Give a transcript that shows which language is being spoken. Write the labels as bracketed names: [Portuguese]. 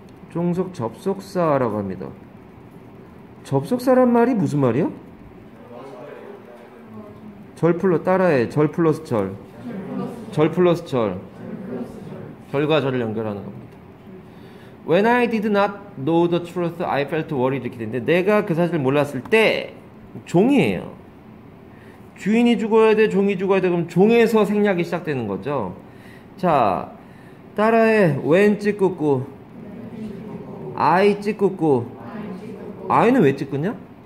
[Korean] 종속 접속사라고 합니다. 접속사란 말이 무슨 말이야? 절 플러 따라해. 절 플러스 절. 절 플러스 절. 절과 절을 연결하는 겁니다. [English] When I did not know the truth, I felt worried. [Korean] 이렇게 되는데 내가 그 사실을 몰랐을 때 종이에요. 주인이 죽어야 돼, 종이 죽어야 돼. 그럼 종에서 생략이 시작되는 거죠. 자, 따라해. When 찍고 꾸. I 찍고 꾸. I는 왜 찍었냐?